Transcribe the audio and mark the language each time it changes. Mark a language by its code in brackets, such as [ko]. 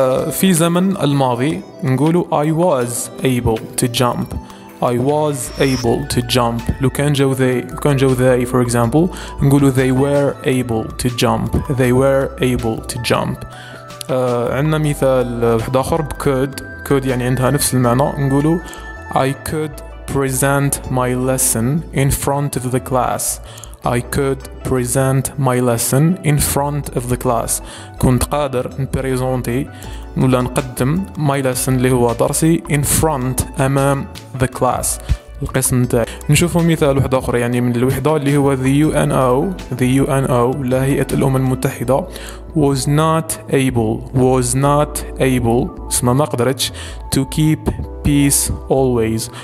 [ar] في زمن الماضي نقوله [en] I was able to jump. I was able to jump. [ar] لو كان جو [en] they for example [ar] نقوله [en] they were able to jump. They were able to jump. [ar] عندنا مثال واحد آخر بكود. Could يعني عندها نفس المعنى. نقوله [en] I could present my lesson in front of the class. I could present my lesson in front of the class. [ar] كنت قادر نبريزونتي ولا نقدم [en] my lesson [ar] اللي هو درسي [en] in front [ar] أمام [en] the class [ar] القسم تاعي. نشوفوا مثال واحد آخر يعني من الوحدة اللي هو the UNO لا هيئة الأمم المتحدة [en] was not able [ar] اسما ما قدرتش [en] to keep peace always.